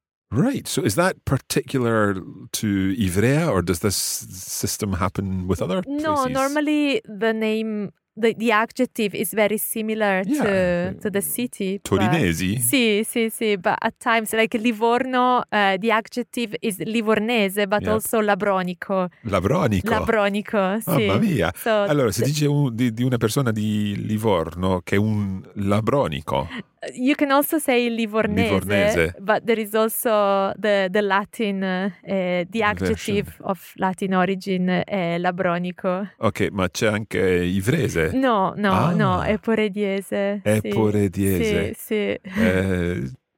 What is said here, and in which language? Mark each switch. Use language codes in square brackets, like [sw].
[en] Right, so is that particular to Ivrea or does this system happen with other places? No, normally the name... The adjective is very similar to the city. [it] Torinesi? But, sì, sì, sì. [en] But at times, like Livorno, the adjective is Livornese, but yep. Also Labronico. [it] Labronico? Labronico, sì. Mamma mia. So, allora, se dice di una persona di Livorno che è un Labronico... [en] You can also say Livornese. But there is also the Latin, the adjective version. Of Latin origin, Labronico. [it] Ok, ma c'è anche Ivrese? No, no, no, Eporediese. Eporediese. Sì, sì.